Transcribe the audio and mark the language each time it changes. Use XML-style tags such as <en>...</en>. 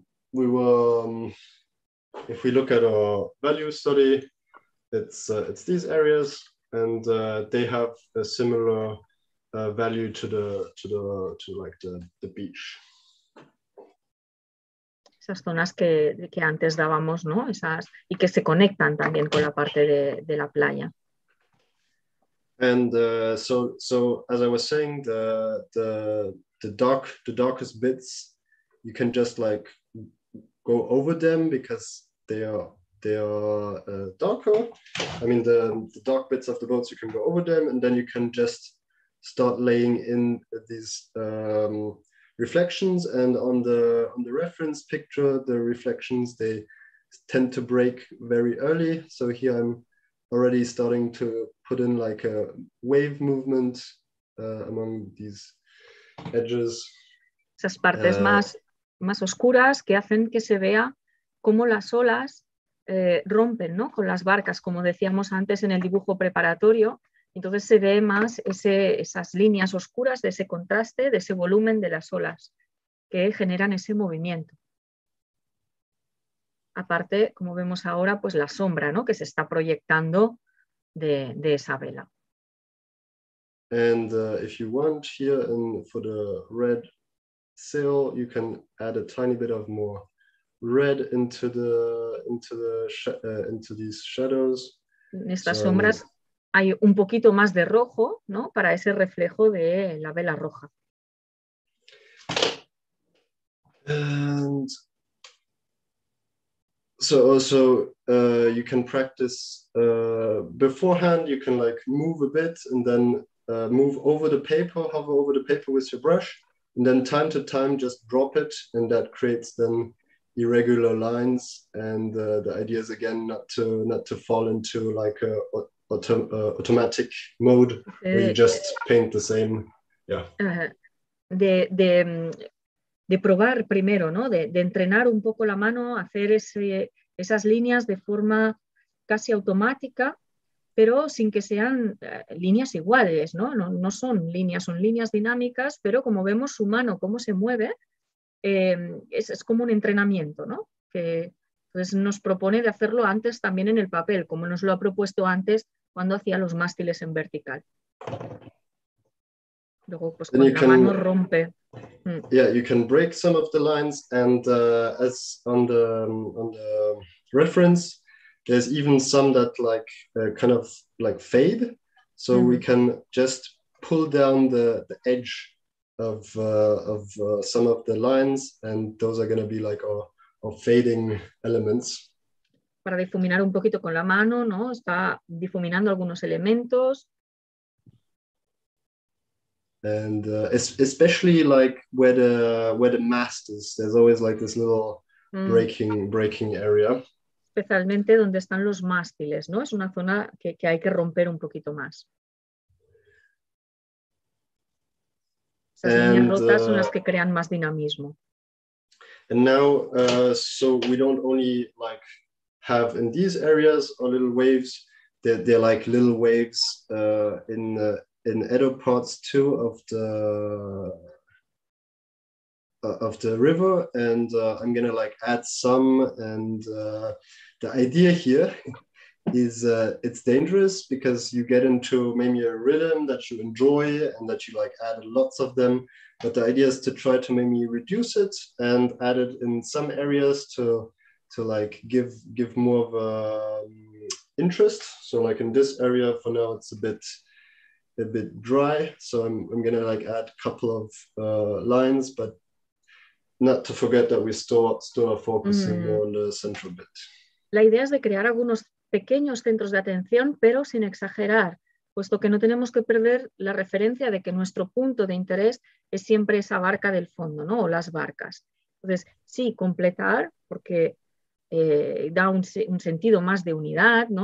<en>we were, if we look at our value study, it's these areas, and they have a similar value to the beach.</en> <es>Esas zonas que antes dábamos, ¿no? Esas, y que se conectan también con la parte de la playa.</es> <en>And so as I was saying, the darkest bits, you can just like go over them because they are darker. I mean, the dark bits of the boats, you can go over them, and then you can just start laying in these reflections. And on the reference picture, the reflections, they tend to break very early. So here I'm already starting to put in like a wave movement among these edges.</en> <es>Esas partes más oscuras que hacen que se vea cómo las olas rompen, ¿no? Con las barcas, como decíamos antes en el dibujo preparatorio. Entonces se ve más esas líneas oscuras de ese contraste, de ese volumen de las olas que generan ese movimiento. Aparte, como vemos ahora, pues la sombra, ¿no? Que se está proyectando de esa vela.</es> <en>And if you want here in, for the red sail, you can add a tiny bit of more red into these shadows.</en> <es>En estas sombras hay un poquito más de rojo, ¿no? Para ese reflejo de la vela roja.</es> <en>And so also you can practice beforehand, you can like move a bit and then move over the paper, hover over the paper with your brush, and then time to time just drop it, and that creates then irregular lines. And the idea is again not to fall into like a automatic mode where you just paint the same.</en> <es>De probar primero, ¿no? De entrenar un poco la mano, hacer esas líneas de forma casi automática, pero sin que sean líneas iguales, ¿no? No son líneas, son líneas dinámicas, pero como vemos su mano, cómo se mueve, es como un entrenamiento, ¿no? Que pues, nos propone de hacerlo antes también en el papel, como nos lo ha propuesto antes cuando hacía los mástiles en vertical. Luego, pues con la mano rompe.</es> <en>Yeah, you can break some of the lines, and as on the reference, there's even some that like kind of like fade. So mm-hmm. we can just pull down the edge of some of the lines, and those are going to be like our fading elements.</en> <es>Para difuminar un poquito con la mano, ¿no? Está difuminando algunos elementos.</es> <en>And especially like where the mast is, there's always like this little breaking area.</en> <es>Especialmente donde están los mástiles, ¿no? Es una zona que hay que romper un poquito más. Esas líneas rotas son las que crean más dinamismo.</es> <en>And now, so we don't only like have in these areas our little waves. They're like little waves in other parts too of the river, and I'm gonna like add some. And the idea here is it's dangerous because you get into maybe a rhythm that you enjoy and that you like add lots of them, but the idea is to try to maybe reduce it and add it in some areas to like give more of a interest. So like in this area for now it's a bit dry, so I'm gonna like add a couple of lines, but not to forget that we still are focusing more on the central bit.</en> <es>La idea es de crear algunos pequeños centros de atención, pero sin exagerar, puesto que no tenemos que perder la referencia de que nuestro punto de interés es siempre esa barca del fondo, ¿no? O las barcas. Entonces, sí, completar, porque da un sentido más de unidad, ¿no?</es>